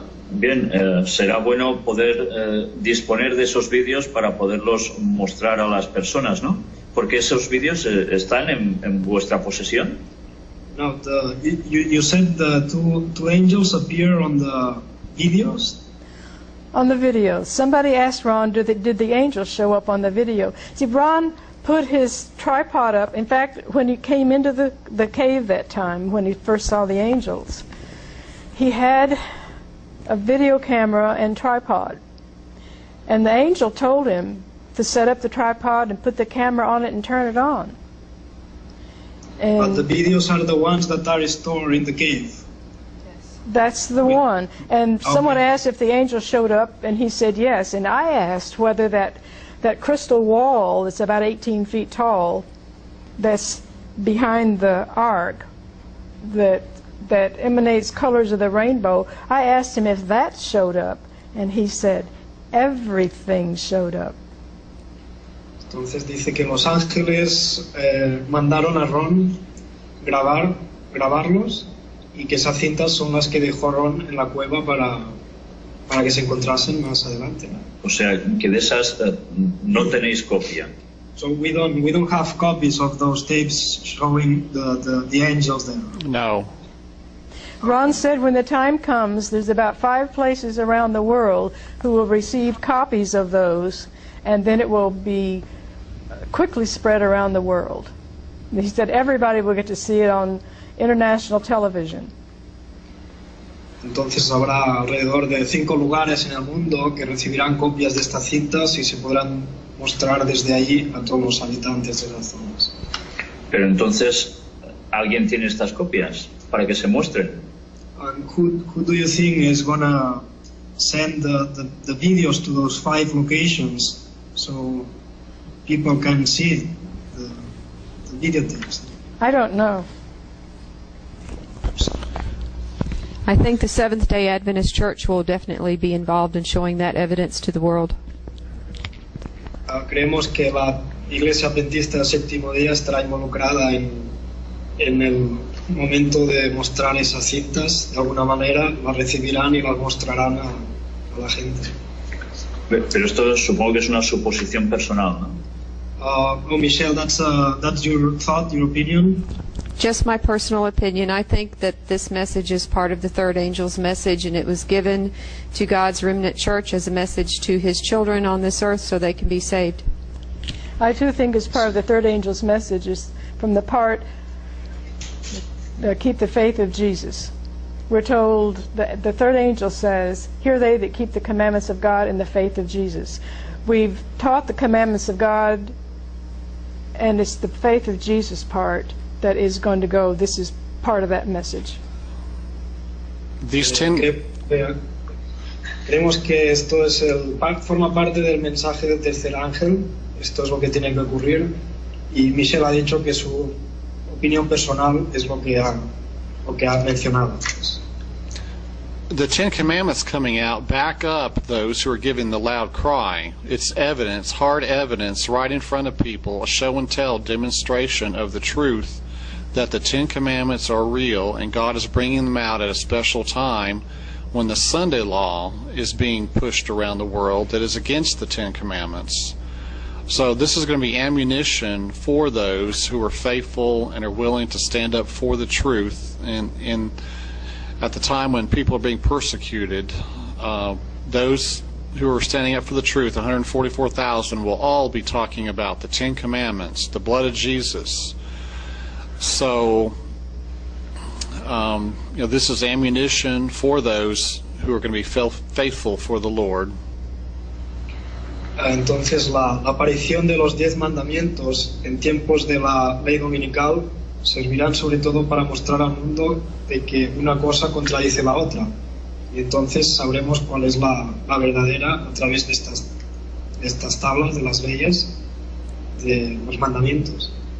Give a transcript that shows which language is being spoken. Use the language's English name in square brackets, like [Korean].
[Spanish] Bien, será bueno poder disponer de esos vídeos para poderlos mostrar a las personas, ¿no? Porque esos vídeos están en vuestra posesión. [English] No, you said the two angels appear on the videos? On the video. Somebody asked Ron, did the angels show up on the video? See, Ron put his tripod up. In fact, when he came into the cave that time, when he first saw the angels, he had a video camera and tripod. And the angel told him to set up the tripod and put the camera on it and turn it on. And but the videos are the ones that are stored in the cave. That's the one. And someone asked if the angel showed up, and he said yes. And I asked whether that crystal wall that's about 18 feet tall, that's behind the ark, that emanates colors of the rainbow, I asked him if that showed up. And he said, everything showed up. [Spanish] Entonces dice que los ángeles mandaron a Ron grabarlos. Y que esas cintas son las que dejó Ron en la cueva para que se encontrasen más adelante. O sea, que de esas no tenéis copia. [English] So we don't have copies of those tapes showing the angels there. No. Ron said when the time comes, there's about five places around the world who will receive copies of those, and then it will be quickly spread around the world. He said everybody will get to see it on international television. [Spanish] Entonces habrá alrededor de 5 lugares en el mundo que recibirán copias de estas cintas y se podrán mostrar desde allí a todos los habitantes de las zonas. Pero entonces, ¿alguien tiene estas copias para que se muestren? [English] And who do you think is gonna send the videos to those 5 locations so people can see the videotapes? I don't know. I think the Seventh-day Adventist Church will definitely be involved in showing that evidence to the world. [Spanish] Creemos que la Iglesia Adventista del Séptimo Día estará involucrada en el momento de mostrar esas cintas. De alguna manera las recibirán y las mostrarán a la gente. Pero esto supongo que es una suposición personal, ¿no? [English] Michelle, that's your thought, your opinion? Just my personal opinion. I think that this message is part of the third angel's message, and it was given to God's remnant church as a message to his children on this earth so they can be saved. I too think it's part of the third angel's message, is from the part that keep the faith of Jesus. We're told that the third angel says, "Hear they that keep the commandments of God and the faith of Jesus." We've taught the commandments of God, and it's the faith of Jesus part that is going to go. This is part of that message. These 10. [Spanish] Creemos que esto es el forma parte del mensaje del tercer ángel. Esto es lo que tiene que ocurrir. Y Michelle ha dicho que su opinión personal es lo que ha mencionado. [English] The 10 commandments coming out back up those who are giving the loud cry. It's evidence, hard evidence, right in front of people, a show and tell demonstration of the truth that the 10 commandments are real, and God is bringing them out at a special time when the Sunday law is being pushed around the world that is against the 10 commandments. So this is going to be ammunition for those who are faithful and are willing to stand up for the truth in at the time when people are being persecuted. Those who are standing up for the truth, 144,000, will all be talking about the 10 commandments, the blood of Jesus. So, this is ammunition for those who are going to be faithful for the Lord. [Spanish] Entonces, la aparición de los 10 mandamientos en tiempos de la ley dominical servirán sobre todo para mostrar al mundo de que una cosa contradice la otra. Y entonces sabremos cuál es la verdadera a través de estas tablas, de las leyes, de los mandamientos.